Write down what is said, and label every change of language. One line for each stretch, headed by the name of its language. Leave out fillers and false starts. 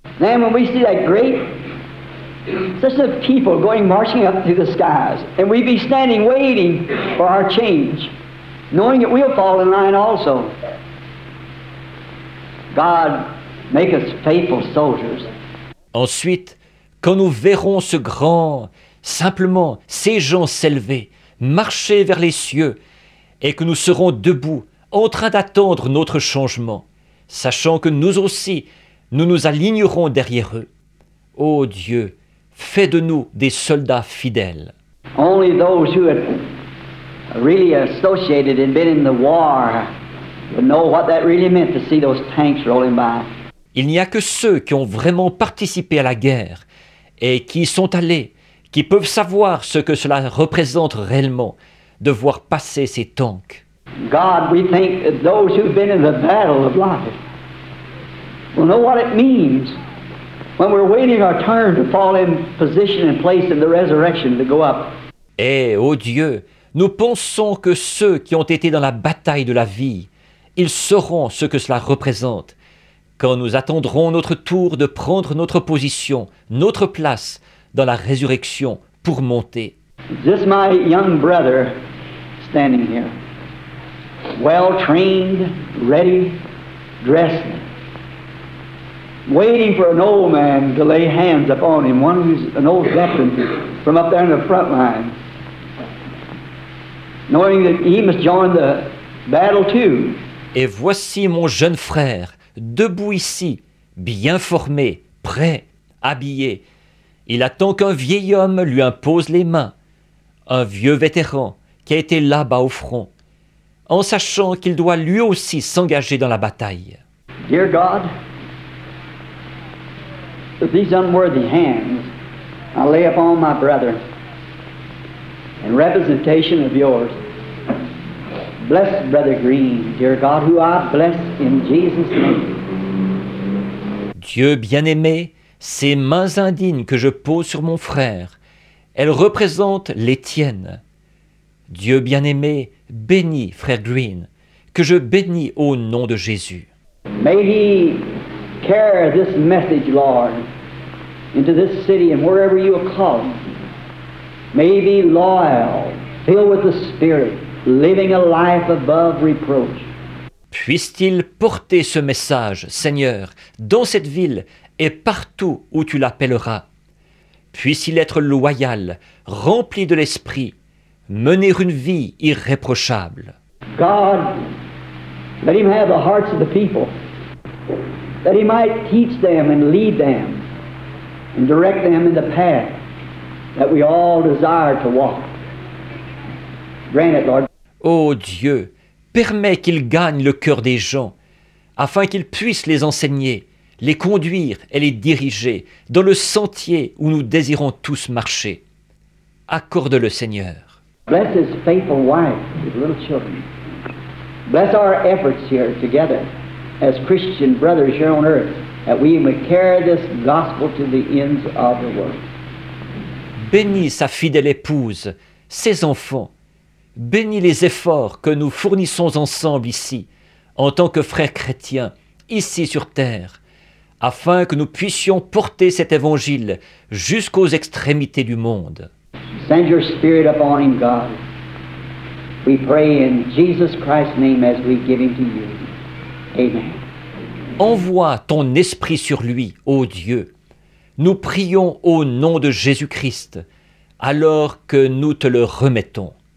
English: Then when we see that great such of people going marching up through the skies, and we be standing waiting for our change, knowing that we'll fall in line also. God, make us faithful soldiers.
French: Ensuite, quand nous verrons ce grand, simplement ces gens s'élever, marcher vers les cieux, et que nous serons debout, en train d'attendre notre changement, sachant que nous aussi, nous nous alignerons derrière eux. Ô Dieu, fais de nous des soldats fidèles.
English: Only those who had really associated and been in the war would know what that really meant to see those tanks rolling by.
French: Il n'y a que ceux qui ont vraiment participé à la guerre et qui y sont allés, qui peuvent savoir ce que cela représente réellement de voir passer ces tanks.
English: God, we think that those who've been in the battle of life will know what it means when we're waiting our turn to fall in position and place in the resurrection to go up.
French: Eh, oh Dieu, nous pensons que ceux qui ont été dans la bataille de la vie, ils sauront ce que cela représente. Quand nous attendrons notre tour de prendre notre position, notre place dans la résurrection pour monter.
English: This my young brother standing here, well trained, ready, dressed, waiting for an old man to lay hands upon him, one who's an old veteran from up there in the front line, knowing that he must join the battle too.
French: Et voici mon jeune frère. Debout ici, bien formé, prêt, habillé. Il attend qu'un vieil homme lui impose les mains, un vieux vétéran qui a été là-bas au front, en sachant qu'il doit lui aussi s'engager dans la bataille.
English: Dear God, with these unworthy hands, I lay upon my brother in representation of yours. Bless Brother Green, dear God, who I bless in Jesus' name.
French: Dieu bien-aimé, ces mains indignes que je pose sur mon frère, elles représentent les tiennes. Dieu bien-aimé, bénis Frère Green, que je bénis au nom de Jésus.
English: May he carry this message, Lord, into this city and wherever you will call. May he be loyal, filled with the Spirit, living a life above reproach.
French: Puisse-t-il porter ce message, Seigneur, dans cette ville et partout où tu l'appelleras. Puisse-il être loyal, rempli de l'esprit, mener une vie irréprochable.
English: God, let him have the hearts of the people, that he might teach them and lead them and direct them in the path that we all desire to walk. Grant it, Lord.
French: Oh Dieu, permet qu'il gagne le cœur des gens, afin qu'il puisse les enseigner, les conduire et les diriger dans le sentier où nous désirons tous marcher. Accorde le Seigneur.
English: Bless his faithful wife with little children. Bless our efforts here together as Christian brothers here on earth, that we may carry this gospel to the ends of the world.
French: Bénis sa fidèle épouse, ses enfants. Bénis les efforts que nous fournissons ensemble ici, en tant que frères chrétiens, ici sur terre, afin que nous puissions porter cet évangile jusqu'aux extrémités du monde.
English: Send your spirit upon him, God. We pray in Jesus Christ's name as we give him to you. Amen.
French: Envoie ton esprit sur lui, ô Dieu. Nous prions au nom de Jésus-Christ, alors que nous te le remettons.